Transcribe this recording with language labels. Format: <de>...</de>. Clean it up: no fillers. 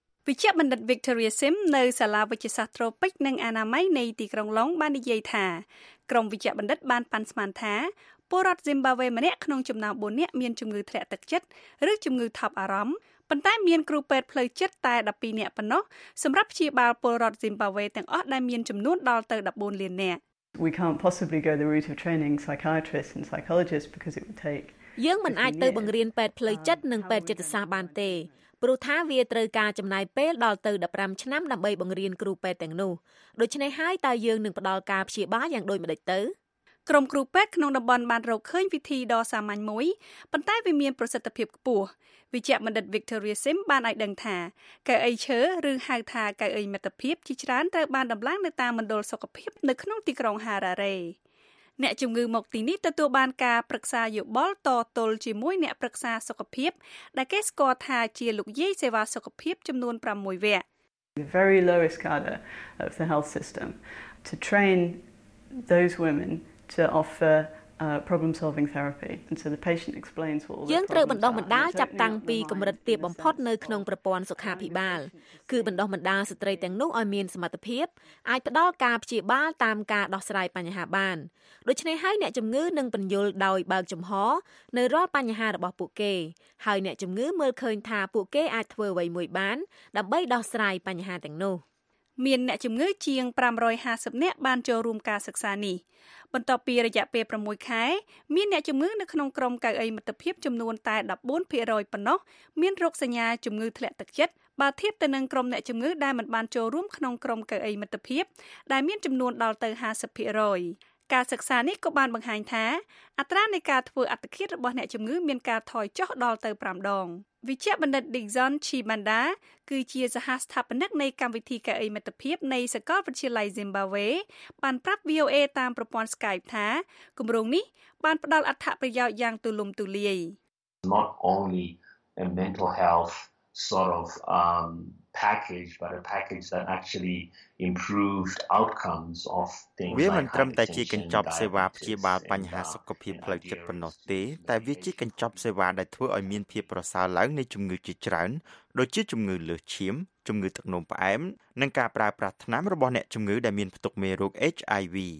<km>វិជ្ជបណ្ឌិត Victoria Sim នៅសាលាវិទ្យាសាស្ត្រត្រូពិចនិងអនាម័យនៃទីក្រុងឡុងបាននិយាយថា ក្រុមវិជ្ជបណ្ឌិតបានប៉ាន់ស្មានថាពលរដ្ឋ Zimbabwe ម្នាក់ក្នុងចំណោម4នាក់មានជំងឺធ្លាក់ទឹកចិត្តឬជំងឺថប់អារម្មណ៍ប៉ុន្តែមានគ្រូពេទ្យផ្លូវចិត្តតែ12នាក់ប៉ុណ្ណោះសម្រាប់ព្យាបាលពលរដ្ឋ Zimbabwe ទាំងអស់ដែលមានចំនួនដល់ទៅ14លាននាក់</km> <en>We can't possibly go the route of training psychiatrists and psychologists because it would take</en> <km>យើងមិនអាចទៅបង្រៀនពេទ្យផ្លូវចិត្តនិងពេទ្យចិត្តសាស្ត្របានទេព្រោះថាវាត្រូវការចំណាយពេលដល់ទៅ15ឆ្នាំដើម្បីបង្រៀនគ្រូពេទ្យទាំងនោះដូច្នេះហើយតើយើងនឹងផ្ដល់ការព្យាបាលយ៉ាងដូចម្តេចទៅ ក្រុមគ្រូពេទ្យក្នុងតំបន់បានរកឃើញវិធីដ៏សាមញ្ញមួយប៉ុន្តែវាមានប្រសិទ្ធភាពខ្ពស់វិជ្ជបណ្ឌិត Victoria Sim បានឲ្យដឹងថាកៅអីឈើឬហៅថាកៅអីមិត្តភាពជាច្រើនត្រូវបានដំឡើងនៅតាមមណ្ឌលសុខភាពនៅក្នុងទីក្រុង Harare អ្នកជំងឺមកទីនេះទទួលបានការប្រឹក្សាយោបល់តទល់ជាមួយអ្នកប្រឹក្សាសុខភាពដែលគេស្គាល់ថាជាលោកយាយសេវាសុខភាពចំនួន6វគ្គ</km> <en>The very lowest cadre of the health system to train those womenTo offer problem solving therapy and so the patient explains what</en> <km>យើងត្រូវបណ្ដុះបណ្ដាលចាប់តាំងពីកម្រិតទាបបំផុតនៅក្នុងប្រព័ន្ធសុខាភិបាលគឺបណ្ដុះបណ្ដាលស្ត្រីទាំងនោះឲ្យមានសមត្ថភាពអាចផ្ដល់ការព្យាបាលតាមការដោះស្រាយបញ្ហាបានដូច្នេះហើយអ្នកជំងឺនឹងបញ្យលដោយបើកចំហនៅរាល់បញ្ហារបស់ពួកគេហើយអ្នកជំងឺមើលឃើញថាពួកគេអាចធ្វើអ្វីមួយបានដើម្បីដោះស្រាយបញ្ហាទាំងនោះ មានអ្នកជំងឺជាង550នាក់បានចូលរួមការសិក្សានេះបន្ទាប់ពីរយៈពេល6ខែមានអ្នកជំងឺនៅក្នុងក្រុមកៅអីមិត្តភាពចំនួនតែ 14% ប៉ុណ្ណោះមានរោគសញ្ញាជំងឺធ្លាក់ទឹកចិត្តបើធៀបទៅនឹងក្រុមអ្នកជំងឺដែលមិនបានចូលរួមក្នុងក្រុមកៅអីមិត្តភាពដែលមានចំនួនដល់ទៅ 50% ការសិក្សានេះក៏បានបង្ហាញថា អត្រានៃការធ្វើអត្តឃាតរបស់អ្នកជំងឺមានការថយចុះដល់ទៅ5ដងវិជ្ជបណ្ឌិត Dixon Chimanda គឺជាសហស្ថាបនិកនៃកម្មវិធីកៅអីមិត្តភាពនៃសាកលវិទ្យាល័យ Zimbabwe បានប្រាប់ VOA តាមប្រព័ន្ធ Skype ថាគម្រោងនេះបានផ្ដល់អត្ថប្រយោជន៍យ៉ាងទូលំទូលាយ</km> <en>Not only a mental health sort of package but a package that actually improved outcomes of things</en> <km>វាមិនត្រឹមតែជាកញ្ចប់សេវាព្យាបាលបញ្ហាសុខភាពផ្លូវចិត្តប៉ុណ្ណោះទេតែវាជាកញ្ចប់សេវាដែលធ្វើឲ្យមានភាពប្រសើរឡើងនៃជំងឺជាច្រើនដូចជាជំងឺលើសឈាមជំងឺទឹកនោមផ្អែមនិងការប្រើប្រាស់ថ្នាំរបស់អ្នកជំងឺដែលមានផ្ទុកមេរោគ HIV</km>